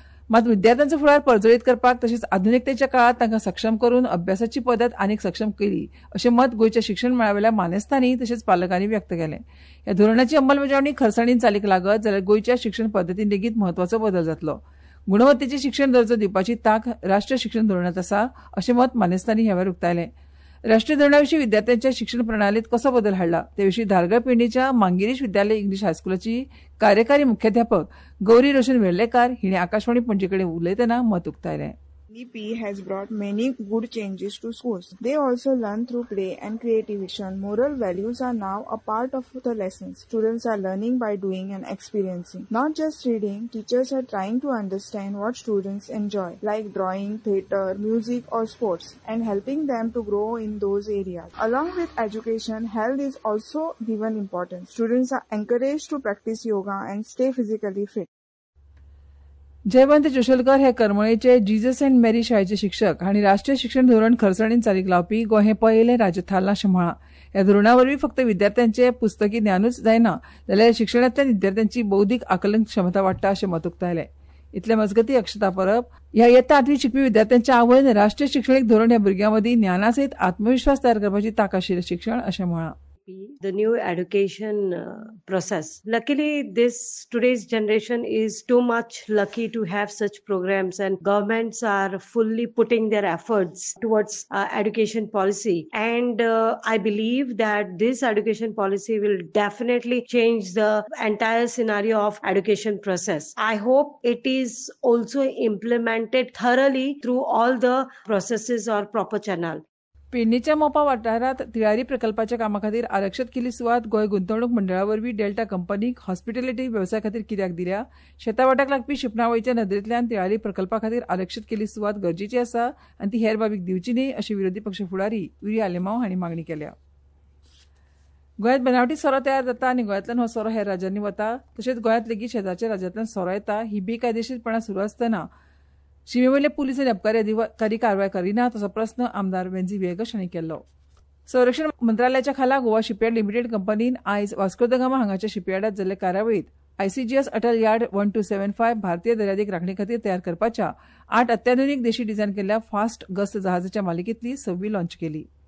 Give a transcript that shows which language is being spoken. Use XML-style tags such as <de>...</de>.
<gom>मात विद्यार्थ्यांचो फुडार प्रज्वलीत करपाक तशेंच आधुनिकतेच्या काळांत तांकां सक्षम करून अभ्यासाची पद्दत आनीक सक्षम केली अशें मत गोंयच्या शिक्षण मळावेल्या मानेस्तांनी तशेंच पालकांनी व्यक्त केलें. ह्या धोरणाची अंमलबजावणी खरसाणीन चालीक लागत जाल्यार गोंयच्या शिक्षण पद्दतीन लेगीत म्हत्वाचो बदल जातलो. गुणवत्तेचे शिक्षण दर्जो दिवपाची तांक राष्ट्रीय शिक्षण धोरणांत आसा अशें मत मानेस्तांनी ह्या वेळार उक्तायलें. राष्ट्रीय धोरणाविशीं विद्यार्थ्यांच्या शिक्षण प्रणालीत कसो बदल हाडला ते विशीं धारगळ पेडणेच्या मांगिरीश विद्यालय इंग्लीश हायस्कुलाची कार्यकारी मुख्याध्यापक गौरी रोशन वेर्लेकार हिणे आकाशवाणी पणजी कडेन उलयतना मत उक्तायले.</gom> <en>DP has brought many good changes to schools. They also learn through play and creativity. Moral values are now a part of the lessons. Students are learning by doing and experiencing. Not just reading, teachers are trying to understand what students enjoy, like drawing, theater, music or sports, and helping them to grow in those areas. Along with education, health is also given importance. Students are encouraged to practice yoga and stay physically fit.</en> <gom>Jaywant जोशलकर हे करमळेचे Jesus and Mary शाळेचे शिक्षक आनी राष्ट्रीय शिक्षण धोरण खरसणीन चालीक लावपी गोंय हे पहिले राज्य थारला अशें म्हळां. ह्या धोरणावरवी फक्त विद्यार्थ्यांचे पुस्तकी ज्ञानूच जायना जाल्यार शिक्षणांतल्या विद्यार्थ्यांची बौद्धीक आकलन क्षमता वाडटा अशें मत उक्तायलें. इतले मजगती अक्षता परब. ह्या येत्या 8वी शिकपी विद्यार्थ्यांच्या आवयन राष्ट्रीय शिक्षणीक धोरण ह्या भुरग्यां मदीं ज्ञाना सयत आत्मविश्वास तयार करपाची ताक आशिल्लें शिक्षण अशें म्हळां.</gom> <en>The new education process. Luckily, this today's generation is too much lucky to have such programs, and governments are fully putting their efforts towards education policy. And I believe that this education policy will definitely change the entire scenario of education process. I hope it is also implemented thoroughly through all the processes or proper channel.</en> <gom>पेडणेच्या Mopa वाठारात तिळारी प्रकल्पाच्या कामा खातीर आरक्षित केली सुवात गोंय गुंतवणूक मंडळावरवी delta कंपनीक hospitality वेवसाया खातीर कित्याक दिल्या. शेतावाटाक लागपी शिपणावळीच्या नदरेंतल्यान तिळारी प्रकल्पा खातीर आरक्षित केली सुवात गरजेची आसा आनी ती हेर बाबीक दिवची न्ही अशी विरोधी पक्ष फुडारी युरी आलेमांव हांणी मागणी केल्या. गोंयांत बनावटी सोरो तयार जाता आनी गोंयांतल्यान हो सोरो हेर राज्यांनी वता तशेंच गोंयांत लेगीत शेजारच्या राज्यांतल्यान सोरो येता ही बेकायदेशीरपणां सुरू आसतना शिमेवयले पुलीस आनी अबकारी अधिकारी कारवाय करिनात असो प्रस्न आमदार वेंझी वेगस हांणी केल्लो. संरक्षण मंत्रालयाच्या खाला गोवा शिपयार्ड लिमिटेड कंपनीन आयज वास्को द गामा हांगाच्या शिपयार्डात जाल्ले कार्यावळीत ICGS अटल यार्ड 1275 भारतीय दर्यादेग राखणे खातीर तयार करपाच्या 8 अत्याधुनीक देशी डिझायन केल्ल्या फास्ट गस्त जहाजाच्या मालिकेतली 6वी लॉन्च केली.</gom>